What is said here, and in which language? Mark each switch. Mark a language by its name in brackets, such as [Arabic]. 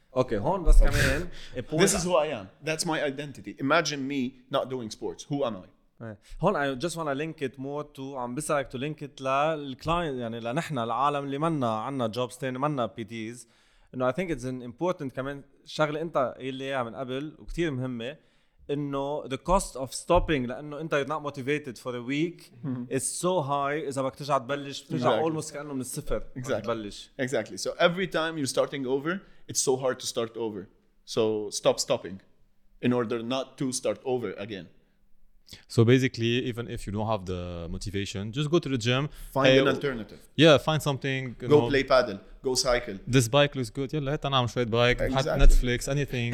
[Arabic] Okay, هون بس كمان. [English] This is who I am. That's my identity. Imagine me not doing sports. Who am I? [Arabic] هون [English] I just want to link it more to, [Arabic] عم بسألك [English] to link it [Arabic] للكلاينت, يعني لنحن العالم اللي منا عنا جوبز تاني, منا PTs. إنه [English] I think it's an important [Arabic] كمان شغلة أنت اللي من قبل وكتير مهمة. [English] إنه the cost of stopping, [Arabic] لأنه أنت [English] you're not motivated for a week, is so high. [Arabic] إذا بك ترجع تبلش, ترجع almost كأنه من الصفر. [English] Exactly. So every time you're starting over, it's so hard to start over. So stop stopping in order not to start over again. So basically, even if you don't have the motivation, just go to the gym. Find an alternative. Yeah, find something. Go play paddle. Go cycle. This bike looks good. Yeah, let's go ride bike. Exactly. Netflix, anything.